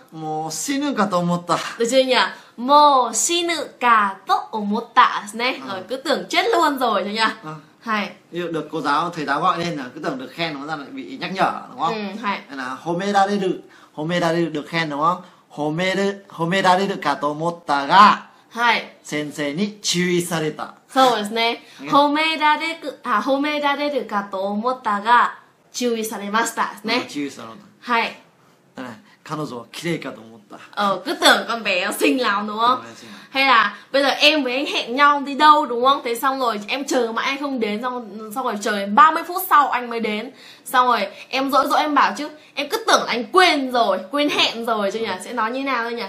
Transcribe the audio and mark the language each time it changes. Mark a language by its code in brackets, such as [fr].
[ja] Mo shinu ka to omotta. [vi] Được chưa nhỉ? [ja] Mo shinu ka to omotta. [vi] Rồi cứ tưởng chết luôn rồi chứ nhỉ? Hay. Được cô giáo thầy giáo gọi lên là cứ tưởng được khen nó ra lại bị nhắc nhở đúng không? Ừ, hay. Là homerareru. Homerareru được khen đúng không? [ja] 褒められるかと思ったが、はい、先生に注意された。そうですね。褒められるかと思ったが、注意されましたですね。注意されました。はい。彼女は綺麗かと思った。 [vi] Ờ, cứ tưởng con bé xinh lắm đúng không? Hay là bây giờ em với anh hẹn nhau đi đâu đúng không? Thế xong rồi em chờ mãi anh không đến, xong rồi chờ 30 phút sau anh mới đến. Xong rồi em dỗi em bảo chứ, em cứ tưởng anh quên rồi, quên hẹn rồi chứ nhỉ? Sẽ nói như nào thôi nhỉ?